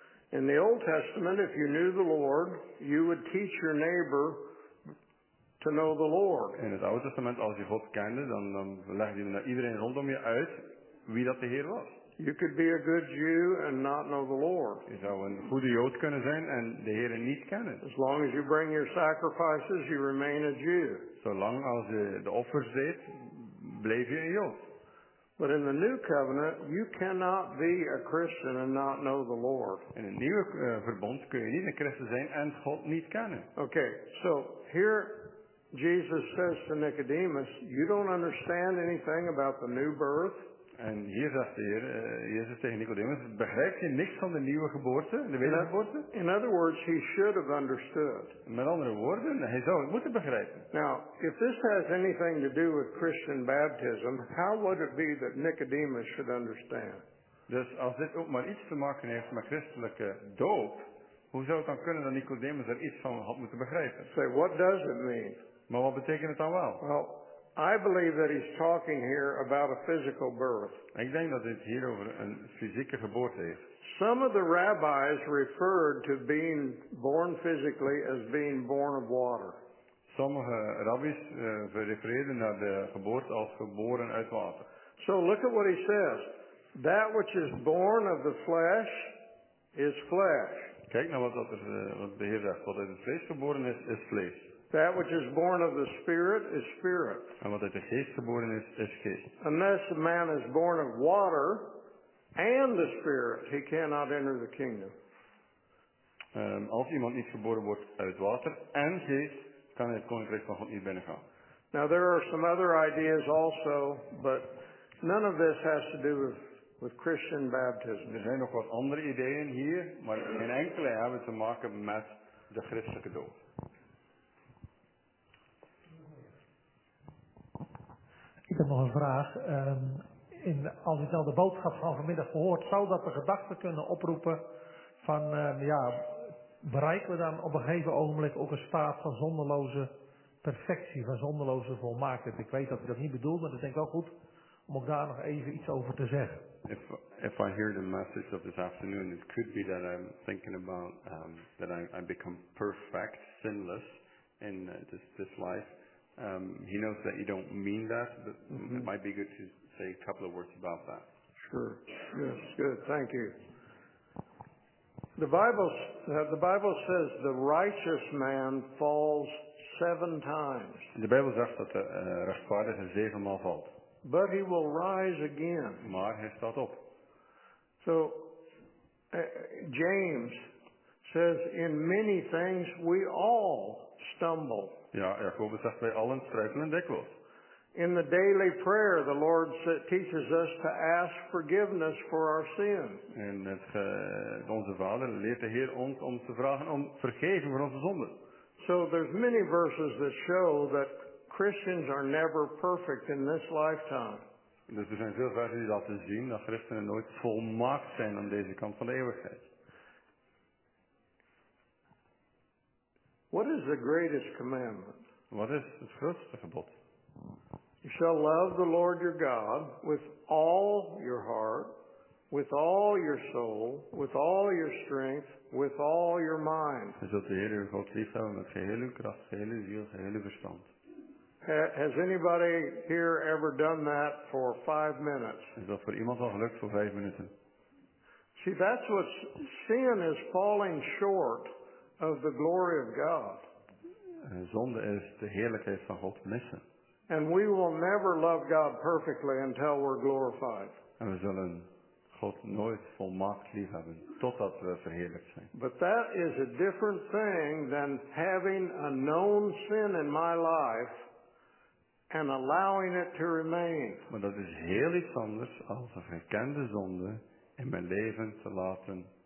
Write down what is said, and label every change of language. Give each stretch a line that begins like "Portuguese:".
English: In the Old Testament, if you knew the Lord, you would teach your neighbor to know the Lord.
Dutch: In het Oude Testament, als je God kende, dan legde je naar iedereen rondom je uit wie dat de Heer was.
English: You could be a good Jew and not know the Lord.
Dutch: Je zou een goede Jood kunnen zijn en de Heer niet kennen.
English: As long as you bring your sacrifices, you remain a Jew.
Dutch: Zolang als je de offers deed, bleef je een Jood.
English: But in the new covenant, you cannot be a Christian and not know the Lord.
Dutch: In het nieuwe verbond kun je niet een Christen zijn en God niet kennen.
English: Okay, so here Jesus says to Nicodemus, you don't understand anything about the new birth.
Dutch: En hier zegt de Heer, Jezus tegen Nicodemus, begrijp je niks van de nieuwe geboorte, de wedergeboorte?
English: In other words, he should have understood.
Dutch: Met andere woorden, hij zou het moeten begrijpen.
English: Now, if this has anything to do with Christian baptism, how would it be that Nicodemus should understand?
Dutch: Dus als dit ook maar iets te maken heeft met christelijke doop, hoe zou het dan kunnen dat Nicodemus er iets van had moeten begrijpen?
English: Say, what does it mean?
Dutch: Maar wat betekent het dan wel?
English: Well, I believe that he's talking here about a physical birth.
Dutch: Ik denk dat het hier over een fysieke geboorte heeft.
English: Some of the rabbis referred to being born physically as being born of water.
Dutch: Sommige rabbis refereerden naar de geboorte als geboren uit water.
English: So look at what he says. That which is born of the flesh is flesh.
Dutch: Kijk naar wat de Heer zegt. Wat uit het vlees geboren is, is vlees.
English: That which is born of the Spirit is spirit.
Dutch: En wat uit de geest geboren is, is geest.
English: Unless a man is born of water and the Spirit, he cannot enter the kingdom.
Dutch: Als iemand niet geboren wordt uit water en geest, kan hij het koninkrijk van God niet binnengaan.
English: Now there are some other ideas also, but none of this has to do with Christian baptism.
Dutch: Er zijn nog wat andere ideeën hier, maar geen enkele hebben te maken met de christelijke doop. Ik heb nog een vraag. Als ik nou de boodschap van vanmiddag gehoord, zou dat de gedachte kunnen oproepen van, bereiken we dan op een gegeven ogenblik ook een staat van zonderloze perfectie, van zonderloze volmaaktheid? Ik weet dat ik dat niet bedoel, maar dat denk ik wel goed om ook daar nog even iets over te zeggen.
English: If I hear the message of this afternoon, it could be that I'm thinking about that I become perfect, sinless in this life. He knows that you don't mean that, but mm-hmm. It might be good to say a couple of words about that. Sure. Yes, good. Thank you. The Bible says the righteous man falls 7 times.
Dutch: De Bijbel zegt dat de rechtvaardige 7 maal valt.
English: But he will rise again.
Dutch: Maar hij staat op.
English: So, James says, in many things we all stumble.
Dutch: Ja, Jacobus zegt bij allen struikelen dikwijls.
English: In the daily prayer, the Lord teaches us to ask forgiveness for our sin.
Dutch: En onze Vader leert de Heer ons om te vragen om vergeving voor onze zonden.
English: So there's many verses that show that Christians are never perfect in this lifetime.
Dutch: Dus er zijn veel versen die laten zien dat christenen nooit volmaakt zijn aan deze kant van de eeuwigheid.
English: What is the greatest commandment?
Dutch: Wat is het grootste gebod?
English: You shall love the Lord your God with all your heart, with all your soul, with all your strength, with all your mind.
Dutch: Je zult de Heer uw God lief hebben met geheel uw kracht, geheel uw ziel, geheel uw verstand.
English: Has anybody here ever done that for 5 minutes?
Dutch: Is dat voor iemand al gelukt voor 5 minuten?
English: See, that's what sin is falling short of the glory of God.
Dutch: Zonde is de heerlijkheid van God missen.
English: And we will never love God perfectly until we're glorified.
Dutch: En we zullen God nooit volmaakt lief hebben totdat we verheerlijkt zijn.
English: But that is a different thing than having a known sin in my life and allowing it to remain.
Dutch: Maar dat is heel iets anders als een gekende zonde in mijn leven te laten.